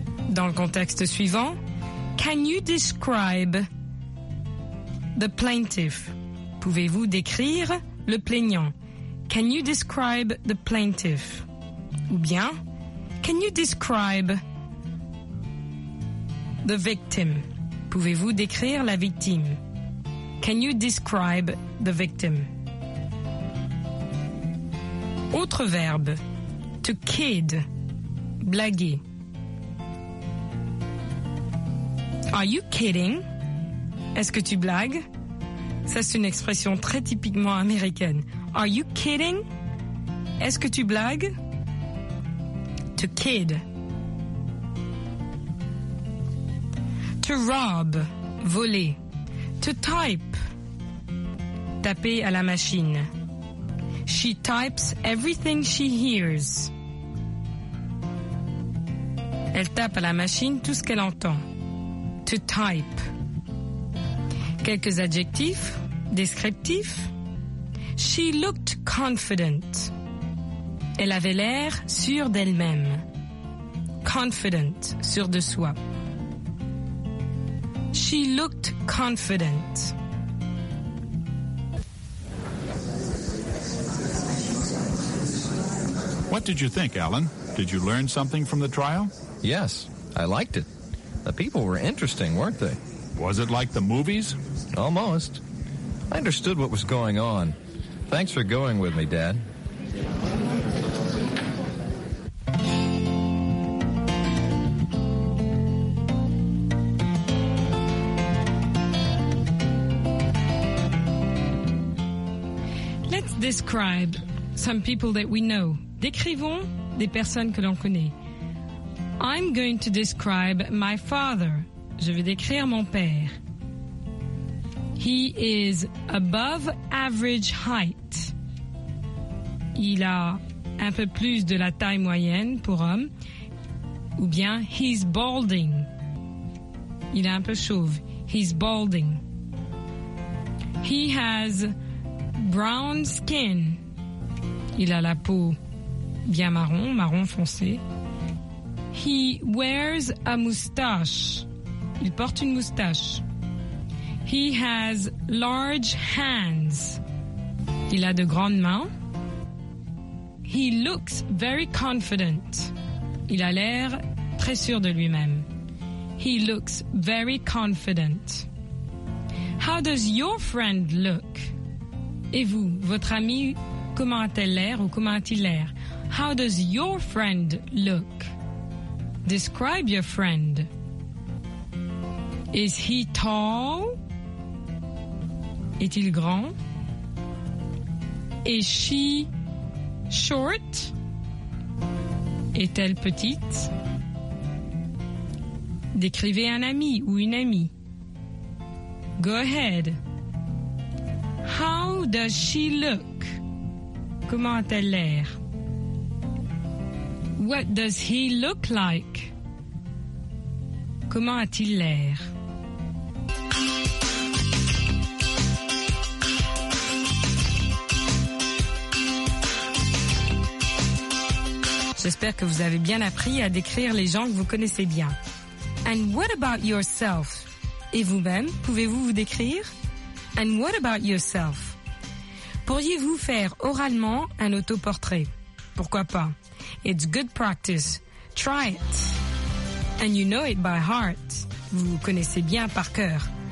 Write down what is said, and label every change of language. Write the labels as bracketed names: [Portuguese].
[French] Dans le contexte suivant, [English] can you describe the plaintiff? [French] Pouvez-vous décrire le plaignant? [English] Can you describe the plaintiff? [French] Ou bien, [English] can you describe the victim? [French] Pouvez-vous décrire la victime? [English] Can you describe the victim? [French] Autre verbe, to kid, blaguer. [English] Are you kidding? [French] Est-ce que tu blagues? Ça, c'est une expression très typiquement américaine. [English] Are you kidding? [French] Est-ce que tu blagues? To kid. To rob, voler. To type, taper à la machine. [English] She types everything she hears. [French] Elle tape à la machine tout ce qu'elle entend. To type. Quelques adjectifs, descriptifs. [English] She looked confident. [French] Elle avait l'air sûre d'elle-même. Confident, sûre de soi. [English] She looked confident. What did you think, Alan? Did you learn something from the trial? Yes, I liked it. The people were interesting, weren't they? Was it like the movies? Almost. I understood what was going on. Thanks for going with me, Dad. Describe some people that we know. [French] Décrivons des personnes que l'on connaît. [English] I'm going to describe my father. [French] Je vais décrire mon père. [English] He is above average height. [French] Il a un peu plus de la taille moyenne pour homme. Ou bien, [English] he's balding. [French] Il est un peu chauve. [English] He's balding. He has brown skin. [French] Il a la peau bien marron, marron foncé. [English] He wears a moustache. [French] Il porte une moustache. [English] He has large hands. [French] Il a de grandes mains. [English] He looks very confident. [French] Il a l'air très sûr de lui-même. [English] He looks very confident. How does your friend look? [French] Et vous, votre ami, comment a-t-elle l'air ou comment a-t-il l'air? [English] How does your friend look? Describe your friend. Is he tall? [French] Est-il grand? [English] Is she short? [French] Est-elle petite? Décrivez un ami ou une amie. [English] Go ahead. How does she look? [French] Comment a-t-elle l'air? [English] What does he look like? [French] Comment a-t-il l'air? J'espère que vous avez bien appris à décrire les gens que vous connaissez bien. [English] And what about yourself? [French] Et vous-même, pouvez-vous vous décrire? [English] And what about yourself? [French] Pourriez-vous faire oralement un autoportrait? Pourquoi pas? [English] It's good practice. Try it. And you know it by heart. [French] Vous connaissez bien par cœur.